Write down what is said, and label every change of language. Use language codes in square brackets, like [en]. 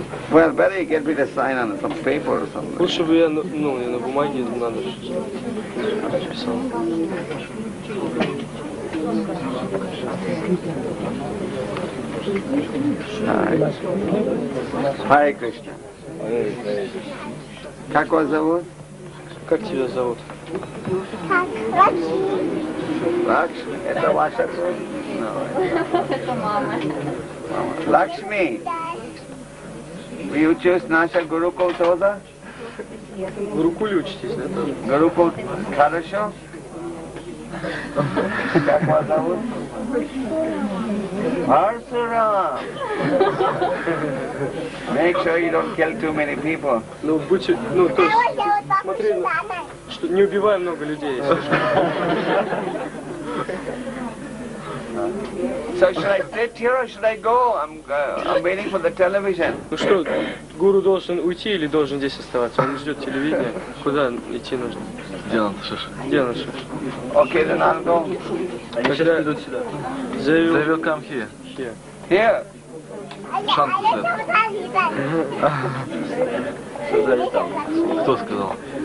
[en] Well, better you get me the sign on some paper or something. [ru] Лучше бы я, ну, не на бумаге, не надо. [sa] Hare Krishna. [ru] Как вас зовут? Как тебя зовут? Лакшми. Лакшми? Это ваша это мама. Лакшми. [en] You choose [ru] наша Гурукул тоже? Гурукуле учитесь, да? Гурукул хорошо? Как вас зовут? Парсурам. [en] Make sure you don't kill too many people. [ru] Ну, будьте, ну, то есть, смотри, что не убивай много людей. [en] So should I sit here or should I go? I'm waiting for the television. [ru] Ну что, гуру должен уйти или должен здесь оставаться? Он ждет телевидение. Куда идти нужно? Где он, Шиша? Где он, Шиша? [en] Okay, then I'll go. [ru] Они сейчас идут сюда. [en] They will come here. Here. [ru] Шанс идет. Кто сказал?